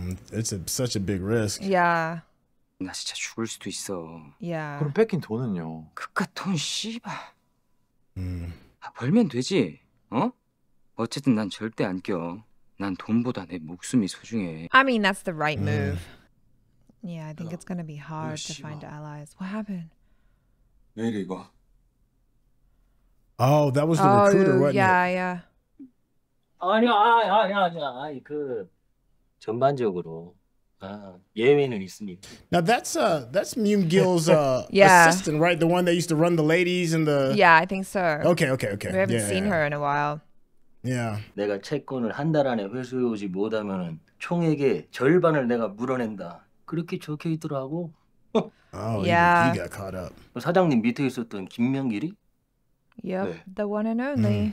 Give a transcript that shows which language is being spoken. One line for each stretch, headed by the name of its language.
English: It's such a big risk. Yeah.
Korean: 나 진짜 죽을 수도 있어.
English: Yeah.
Korean: 그럼 뺏긴 돈은요? 그깟 돈, 씨발. 벌면 되지, 어? 어쨌든 난 절대 안 껴. 난 돈보다 내 목숨이 소중해.
English: I mean, that's the right move. Yeah, I think it's gonna be hard to find allies. What happened?
Korean: 왜 이리 와?
English: Oh, that was the recruiter, wasn't it? Yeah, yeah.
Korean: 아니, 그 전반적으로 예외는 있습니다.
English: Now that's Myungil's yeah. assistant, right? The one that used to run the ladies and the... Yeah, I think so. Okay. We haven't seen her in a while. Yeah.
Korean: 내가 채권을 한 달 안에 회수하지 못하면 총액의 절반을 내가 물어낸다. 그렇게 적혀 있더라고.
English: Oh, yeah. He got caught up.
Korean: 사장님 밑에 있었던 김명길이?
English: Yep, 네. The one and only.